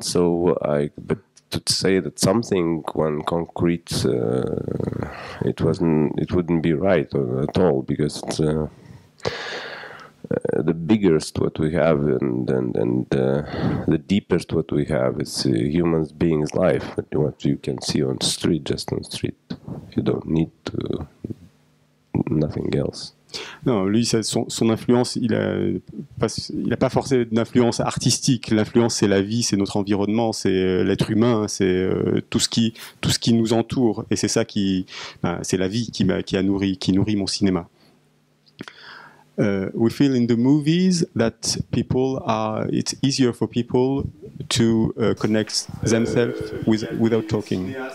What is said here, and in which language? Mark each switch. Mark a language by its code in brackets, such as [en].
[en] So I, but to say that something one concrete, it wasn't, it wouldn't be right at all, because it's, the biggest what we have and the deepest what we have is human beings' life. What you can see on the street, just on the street, you don't need to, nothing else. [fr] Non, lui, ça, son influence, il n'a pas forcément d'influence artistique. L'influence, c'est la vie, c'est notre environnement, c'est l'être humain, c'est tout ce qui nous entoure. Et c'est ça qui, ben, c'est la vie qui nourrit mon cinéma. [en] We feel in the movies that people are, it's easier for people to connect themselves with, without talking.